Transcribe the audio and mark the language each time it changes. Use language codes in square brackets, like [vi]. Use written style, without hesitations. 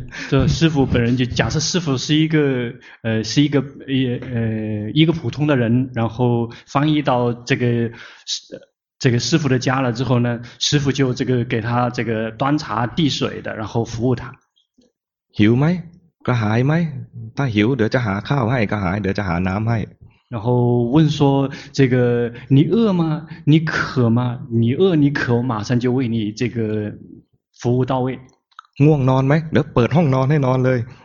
[zh] 这师父本人就假设师父是一个是一个一个普通的人然后翻译到这个师父的家了之后呢师父就这个给他这个端茶递水的然后服务他 [th] หิวไหมกระหายไหมถ้าหิวเดี๋ยวจะหาข้าวให้กระหายเดี๋ยวจะหาน้ำให้ [zh] 然后问说这个你饿吗？你渴吗？你饿你渴，我马上就为你这个服务到位。 [th] ง่วงนอนไหมเดี๋ยวเปิดห้องนอนให้นอนเลย